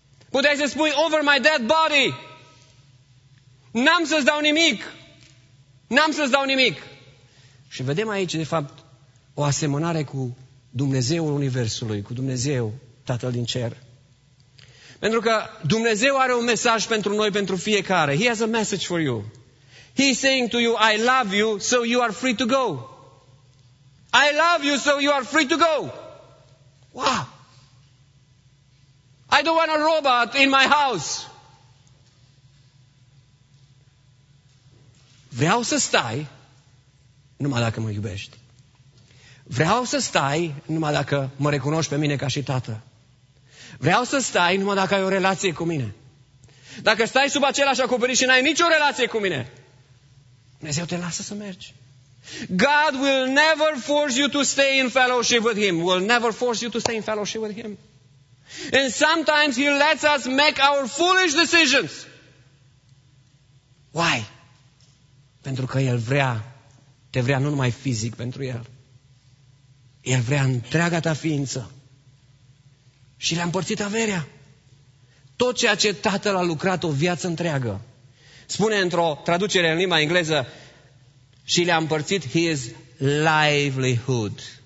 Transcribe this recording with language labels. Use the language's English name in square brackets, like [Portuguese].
[Romanian] Puteai să spui [English] over my dead body! [Romanian] N-am să-ți dau nimic! N-am să-ți dau nimic! Și vedem aici, de fapt, o asemănare cu Dumnezeul Universului, cu Dumnezeu, Tatăl din Cer. Pentru că Dumnezeu are un mesaj pentru noi, pentru fiecare. [English] He has a message for you. He's saying to you, I love you, so you are free to go. I love you, so you are free to go. Wow! I don't want a robot in my house. [Romanian] Vreau să stai, numai dacă mă iubești. Vreau să stai, numai dacă mă recunoști pe mine ca și tată. Vreau să stai, numai dacă ai o relație cu mine. Dacă stai sub același acoperiș și n-ai nicio relație cu mine, Dumnezeu te lasă să mergi. [English] God will never force you to stay in fellowship with Him. Will never force you to stay in fellowship with Him. And sometimes He lets us make our foolish decisions. Why? [Romanian] Pentru că El vrea, te vrea nu numai fizic pentru El. El vrea întreaga ta ființă. Și le-a împărțit averea. Tot ceea ce Tatăl a lucrat o viață întreagă. Spune într-o traducere în limba engleză, și le-a împărțit [English] his livelihood.